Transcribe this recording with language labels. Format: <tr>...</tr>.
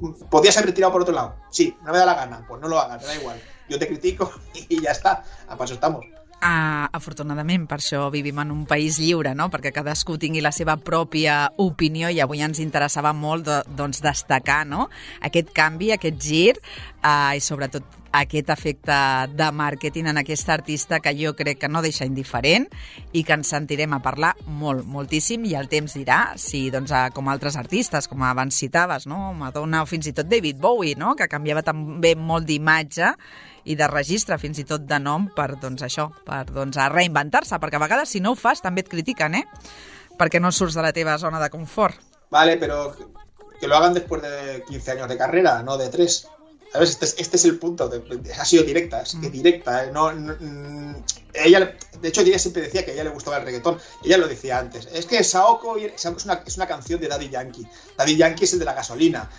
<es>Podías haber tirado por otro lado. Sí, no me da la gana. Pues no lo hagas, da igual. Yo te critico y ya está. A paso estamos.</es> <ca>Afortunadament, per això vivim en un país lliure, no? Perquè cadascú tingui la seva pròpia opinió, i avui ens interessava molt doncs destacar, no?, aquest canvi, aquest gir, i sobretot aquest efecte de màrqueting en aquesta artista, que jo crec que no deixa indiferent i que ens sentirem a parlar molt, moltíssim, i el temps dirà si, doncs, com altres artistes, com abans citaves, no?, Madonna o fins i tot David Bowie, no?, que canviava també molt d'imatge i de registre, fins i tot de nom, per, doncs, això, per, doncs, a reinventar-se, perquè a vegades, si no ho fas, també et critiquen, eh?, perquè no surts de la teva zona de confort.</ca> <es>Vale, però que lo hagan después de 15 años de carrera, no de 3. ¿Sabes? Este es el punto. Ha sido directa, es que directa. ¿Eh? Ella siempre decía que a ella le gustaba el reggaetón. Ella lo decía antes. Es que Saoko es una canción de Daddy Yankee. Daddy Yankee es el de la gasolina.</es>